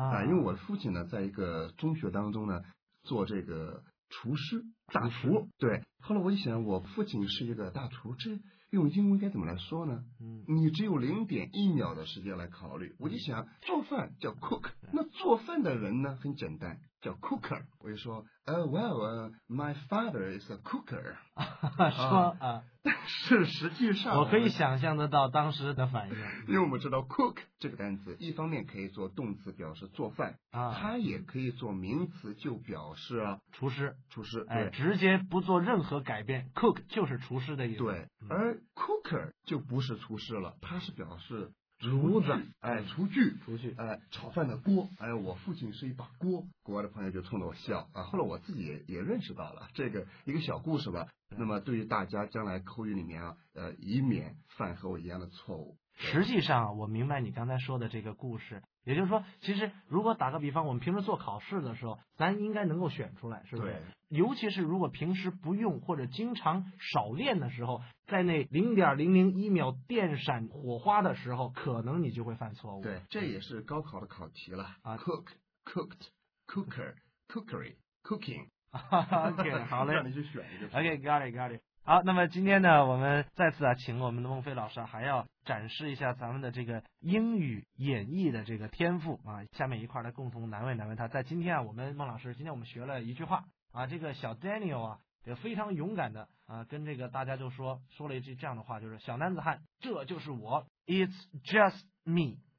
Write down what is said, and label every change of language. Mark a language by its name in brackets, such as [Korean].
[Chinese] 因为我父亲呢在一个中学当中呢做这个厨师大厨，对，后来我就想我父亲是一个大厨，这用英文该怎么来说呢？你只有0.1秒的时间来考虑，我就想做饭叫 cook， 那做饭的人呢很简单，叫 [English] cooker， [Chinese] 我就说 [English] my father is a cooker。 [Chinese] 说啊，但是实际上我可以想象得到当时的反应，因为我们知道 cook 这个单词一方面可以做动词表示做饭啊，它也可以做名词就表示厨师，厨师，哎，直接不做任何改变， cook 就是厨师的意思。对，而 cooker 就不是厨师了，它是表示炉子，哎，厨具，厨具，哎，炒饭的锅，哎，我父亲是一把锅。国外的朋友就冲着我笑啊，后来我自己 也认识到了这个一个小故事吧。那么对于大家将来口语里面啊，以免犯和我一样的错误。实际上我明白你刚才说的这个故事，也就是说其实如果打个比方，我们平时做考试的时候咱应该能够选出来，是不是？对，尤其是如果平时不用或者经常少练的时候，在那 0.001 秒电闪火花的时候可能你就会犯错误。对，这也是高考的考题了啊。 [English] cook cooked cooker cookery cooking [Chinese] OK 好嘞，让你去选一个。 [English] OK got it got it。 [Chinese] 好，那么今天呢我们再次啊请我们的孟非老师还要展示一下咱们的这个英语演绎的这个天赋啊，下面一块来共同难为难为他。在今天啊，我们孟老师今天我们学了一句话啊，这个小 Daniel 啊也非常勇敢的啊跟这个大家就说了一句这样的话，就是小男子汉，这就是我， [English] It's just me